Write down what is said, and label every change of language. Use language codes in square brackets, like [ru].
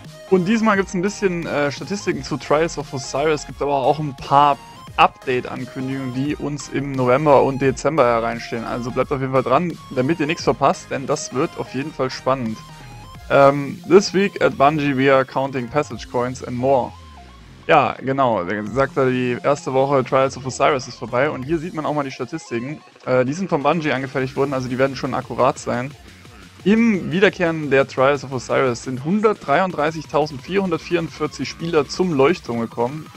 [de] Und diesmal gibt es ein bisschen Statistiken zu Trials of Osiris. Es gibt aber auch ein paar Update-Ankündigungen, die uns im November und Dezember hereinstehen. Also bleibt auf jeden Fall dran, damit ihr nichts verpasst, denn das wird auf jeden Fall spannend. [en] This week at Bungie we are counting Passage Coins and more. [de] Ja, genau, wie gesagt, die erste Woche Trials of Osiris ist vorbei und hier sieht man auch mal die Statistiken. Die sind von Bungie angefertigt worden, also die werden schon akkurat sein. Im Wiederkehren der Trials of Osiris sind 133.444 Spieler zum Leuchtturm gekommen.